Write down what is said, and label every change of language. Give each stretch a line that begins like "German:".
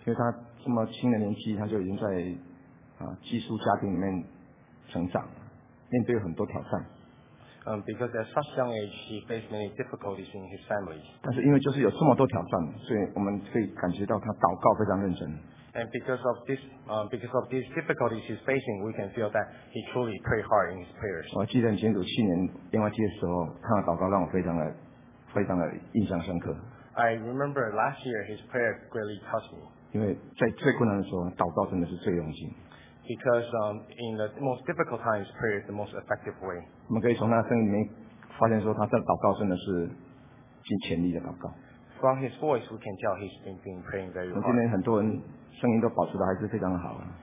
Chinese: 因为他这么轻的年纪，他就已经在寄宿家庭里面成长，面对很多挑战。
English: Because at such young age, he faced many difficulties in his family.
Chinese: 但是因为就是有这么多挑战，所以我们可以感觉到他祷告非常认真。
English: And because of these difficulties he's facing, we can feel that he truly prayed hard in his prayers.
Chinese: 我记得很清楚，去年电话机的时候，他的祷告让我非常的印象深刻。
English: I remember last year his prayer greatly touched me.
Chinese: 因为在最困难的时候，祷告真的是最有用。
English: Because in the most difficult times, prayer is the most effective way.
Chinese: 我们可以从他声音里面发现说，他在祷告真的是尽全力的祷告。
English: From his voice, we can tell he's been praying very hard.
Chinese: 今天很多人声音都保持的还是非常好啊。